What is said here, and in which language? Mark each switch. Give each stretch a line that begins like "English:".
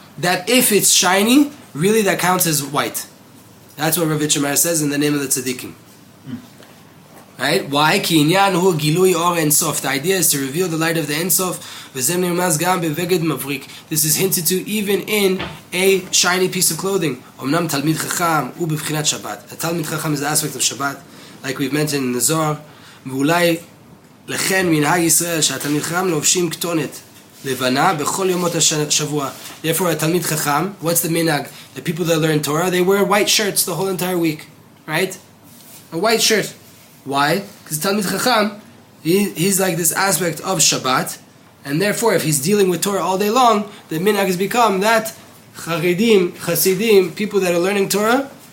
English: That if it's shiny, really that counts as white. That's what Rav Yitzchak says in the name of the Tzaddikim. Right? Why?
Hebrew: Ki inyan hu gilui or en sof.
English: The idea is to reveal the light of the en sof.
Hebrew: V'zem nirmaz gam beveged mavrik.
English: This is hinted to even in a shiny piece of clothing.
Hebrew: Omnam talmid chacham u bevchinat Shabbat.
English: A talmid chacham is the aspect of Shabbat. Like we've mentioned in the Zohar,
Hebrew: ואולי לכן מנהג ישראל שהתלמיד חכם לובשים כתונת לבנה בכל יומות השבוע.
English: Therefore, התלמיד חכם, what's the minhag? The people that learn Torah, they wear white shirts the whole entire week, right? A white shirt. Why? Because התלמיד חכם, he's like this aspect of Shabbat, and therefore, if he's dealing with Torah all day long, the minhag has become that חרדים, חסידים, people that are learning Torah.